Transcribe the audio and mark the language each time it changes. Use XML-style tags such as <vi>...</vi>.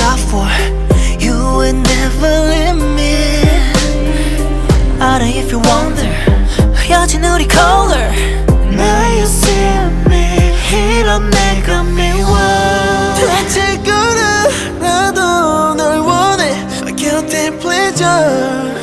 <en>For you will never leave me. matter if you wonder</en> <ko>흐려진 우리</ko> <en>color Now you see me</en> <ko>이런 내가 미워 대체 그래 나도 널 원해</ko> <en>A guilty pleasure</en>